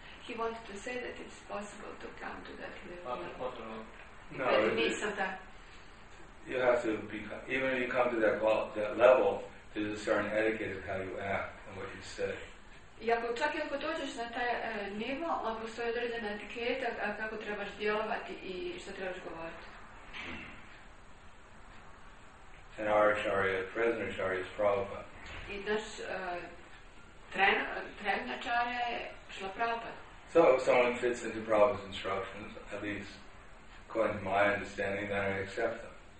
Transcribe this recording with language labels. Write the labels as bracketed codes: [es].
[en] He wanted to say that it's possible to come to that level. [hr] Pa je potrebno. [en] No, you have to be, even if you come to that level, there's a certain etiquette of how you act and what you say. [hr] Iako, čak i ako dođeš na taj nivo, on postoji određena etiketa kako trebaš djelovati i što trebaš govoriti. [en] And our acharya, present acharya is Prabhupada. [hr] I naš trenutna acharya je Srila Prabhupada. [en] So if someone fits into Prabhupada's instructions, at least according to my understanding, then I accept them.